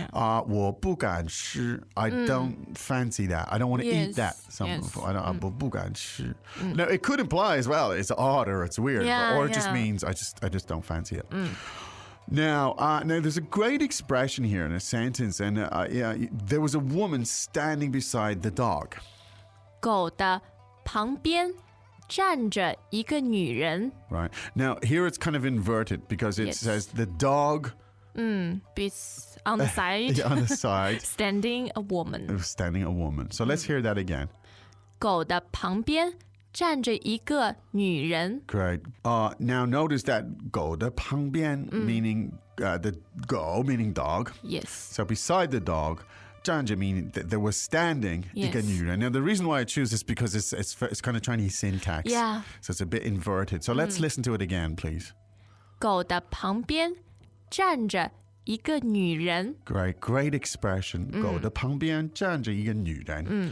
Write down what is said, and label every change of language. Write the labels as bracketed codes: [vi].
[zh] 我不敢. [en] I don't fancy that. I don't want to eat that. I don't. [zh] 不敢吃. [en] No, it could imply as well. It's odd or it's weird, or it just means I just don't fancy it. Now, there's a great expression here in a sentence, and there was a woman standing beside the dog. [zh] 狗的旁边站着一个女人. [en] Right now, here it's kind of inverted because it says the dog. On the side. On the side. Standing a woman. Standing a woman. So let's hear that again. [zh] 狗的旁边站着一个女人. [en] Great. Now notice that [zh] 狗的旁边 [en] meaning the 狗 meaning dog. Yes. So beside the dog. 站着 meaning that there was standing [zh] 一个女人. [en] Now the reason why I choose this is because it's kind of Chinese syntax. Yeah. So it's a bit inverted. So let's listen to it again, please. [zh] 狗的旁边站着一个女人. [en] Great expression. [zh] 狗的旁边站着一个女人.